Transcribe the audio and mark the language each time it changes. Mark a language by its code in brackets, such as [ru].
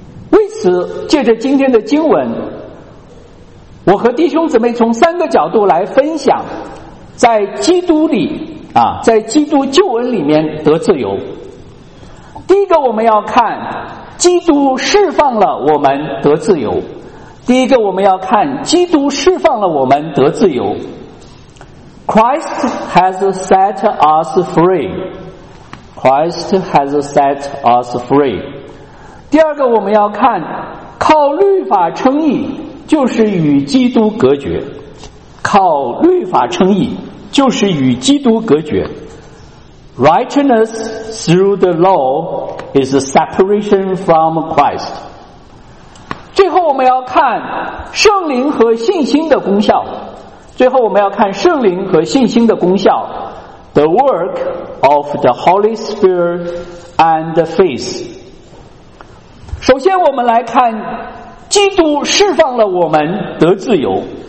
[zh] 为此借着今天的经文，我和弟兄姊妹从三个角度来分享在基督里在基督救恩里面得自由。第一个我们要看基督释放了我们得自由，第一个我们要看基督释放了我们得自由。 [en] Christ has set us free, Christ has set us free。 [zh] 第二个我们要看靠律法称义就是与基督隔绝，靠律法称义就是与基督隔绝。 [en] Righteousness through the law is a separation from Christ。 [zh] 最后我们要看圣灵和信心的功效，最后我们要看圣灵和信心的功效。 [en] The work of the Holy Spirit and faith。 [zh] 首先我们来看基督释放了我们得自由。